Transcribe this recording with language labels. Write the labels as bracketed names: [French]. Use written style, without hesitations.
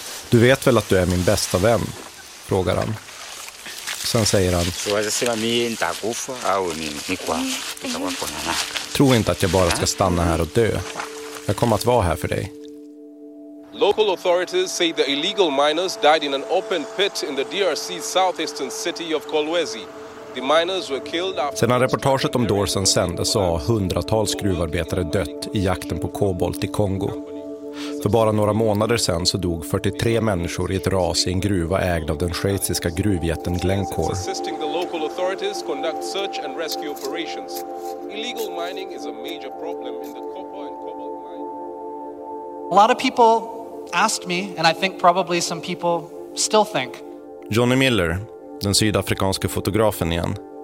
[Swedish] Du vet väl att du är min bästa vän? Frågar han. Sen säger han: tro inte att jag bara ska stanna här och dö. Jag kommer att vara här för dig. [English] Local authorities say the illegal miners died in an open pit in the DRC's southeastern city of Kolwezi. The miners were killed after... [Swedish] Sedan reportaget om Dorsan sändes så har hundratals gruvarbetare dött i jakten på kobolt i Kongo. För bara några månader sedan så dog 43 människor i ett ras i en gruva ägd av den schweiziska gruvjätten Glencore. [English] Assisting the local authorities conduct search and rescue operations. Illegal mining is a major problem in the... A lot of people asked me, and I think probably some people still think. [Swedish] Johnny Miller, den sydafrikanske fotografen igen.